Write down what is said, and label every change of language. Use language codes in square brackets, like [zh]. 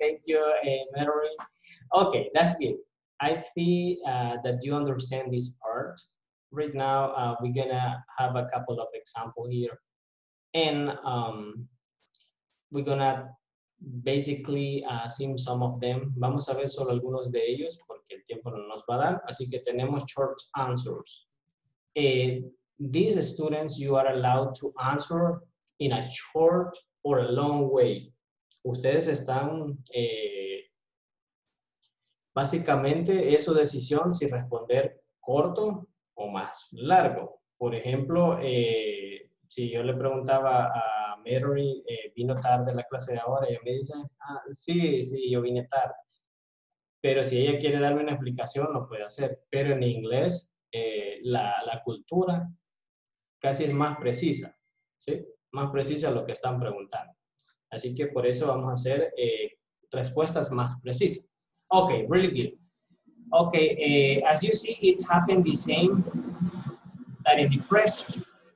[en] Thank you, Mary. Okay, that's good. I feel that you understand this part. Right now, we're gonna have a couple of examples here. And we're gonna basically sim some of them. [es] Vamos a ver solo algunos de ellos porque el tiempo no nos va a dar. Así que tenemos short answers. [en] These students, you are allowed to answer in a short or a long way. [es] Ustedes están, básicamente, es su decisión si responder corto o más largo. Por ejemplo, si yo le preguntaba a Mary, vino tarde la clase de ahora, ella me dice, ah, sí, sí, yo vine tarde. Pero si ella quiere darme una explicación, lo puede hacer. Pero en inglés, la cultura casi es más precisa, ¿sí? Más precisa lo que están preguntando. Así que por eso vamos a hacer respuestas más precisas. [en] Okay, really good. Okay, as you see, it's happened the same that in the present.